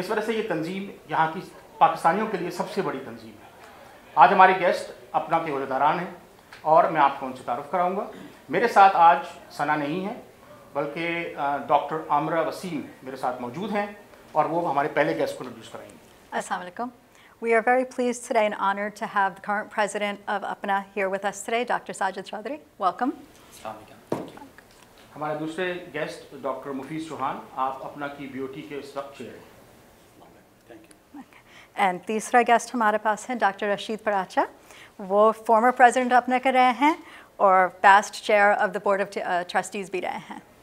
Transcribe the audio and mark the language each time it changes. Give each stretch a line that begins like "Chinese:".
Hindi: इस वजह से ये तंजीम यहाँ की पाकिस्तानियों के लिए सबसे बड़ी तंजीम है। आज हमारे गेस्ट अपना के अहदेदारान हैं और मैं आपको उनसे तारुफ कराऊंगा। मेरे साथ आज सना नहीं है बल्कि डॉक्टर आमरा वसीम मेरे साथ मौजूद हैं और वो हमारे पहले गेस्ट को इंट्रोड्यूस कराएंगे। अस्सलाम वालेकुम।
English: We are very pleased today and honored to have the current president of APNA here with us today, Dr. Sajid Chaudhry. Welcome.
Hindi: Assalamu alaikum. हमारे दूसरे गेस्ट डॉक्टर मुफीज चौहान, आप अपना की ब्यूटी के सब चेयर हैं। एंड तीसरा गेस्ट हमारे पास हैं डॉक्टर रशीद पराचा, वो फॉर्मर प्रेसिडेंट अपने के रहे हैं और past chair of the board of trustees भी रहे हैं।